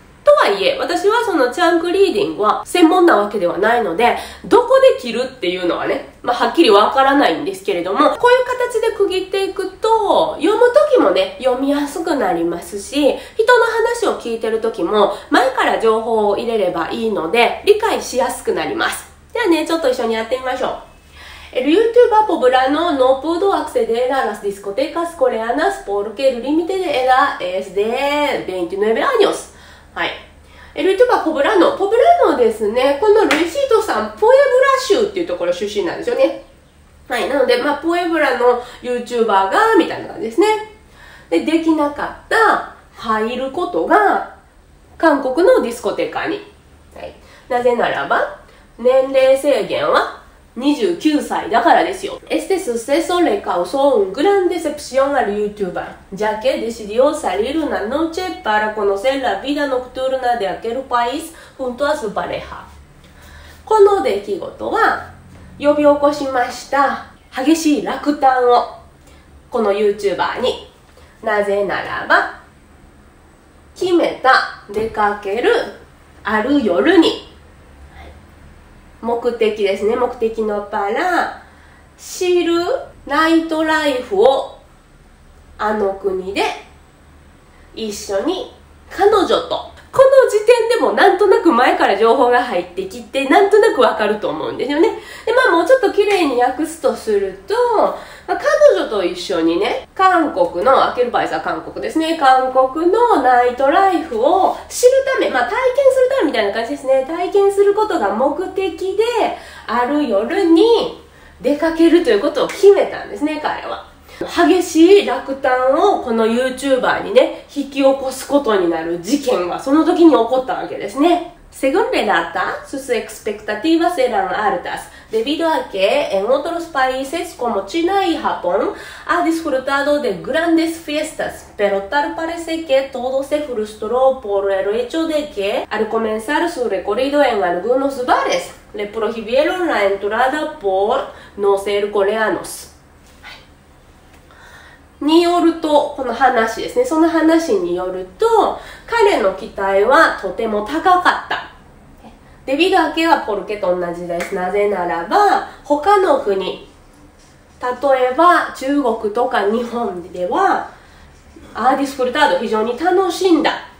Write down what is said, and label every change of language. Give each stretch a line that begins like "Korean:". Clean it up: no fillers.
Japanese: とはいえ、私はそのチャンクリーディングは専門なわけではないので、どこで切るっていうのはね、まあ、はっきりわからないんですけれども、こういう形で区切っていくと、読むときもね、読みやすくなりますし、人の話を聞いてるときも、前から情報を入れればいいので、理解しやすくなります。ではね、ちょっと一緒にやってみましょう。
Spanish: El youtuber poblano no pudo acceder a las discotecas coreanas porque el límite de edad es de 29 años.
Japanese: はい。ルイトバ・ポブラノ。ポブラノですね。このルイシートさん、ポエブラ州っていうところ出身なんですよね。はい。なので、まあ、ポエブラの YouTuber が、みたいな感じですね。で、できなかった、入ることが、韓国のディスコテカに。はい。なぜならば、年齢制限は29歳だからですよ。
Spanish: Este suceso le causó un gran decepción al youtuber, ya que decidió salir una noche para conocer la vida nocturna de aquel país junto a su pareja.
Japanese: この出来事は呼び起こしました激しい落胆をこの YouTuber に。なぜならば、決めた出かけるある夜に、目的ですね。目的のパラ、知るナイトライフをあの国で一緒に彼女と。この時点でもなんとなく前から情報が入ってきて、なんとなくわかると思うんですよね。で、まあもうちょっと綺麗に訳すとすると、まあ、彼女と一緒にね、韓国の、アケルパイスは韓国ですね、韓国のナイトライフを知るため、まあ体験するためみたいな感じですね、体験することが目的で、ある夜に出かけるということを決めたんですね、彼は。激しい落胆をこの YouTuber にね、引き起こすことになる事件がその時に起こったわけですね。
Spanish: Según relata sus expectativas eran altas debido a que en otros países como China y Japón ha disfrutado de grandes fiestas pero tal parece que todo se frustró por el hecho de que al comenzar su recorrido en algunos bares le prohibieron la entrada por no ser coreanos
Japanese: によるとこの話ですね。その話によると彼の期待はとても高かった。デビルアケはポルケと同じです。なぜならば、他の国、例えば中国とか日本では、アーディスフルタード非常に楽しんだ。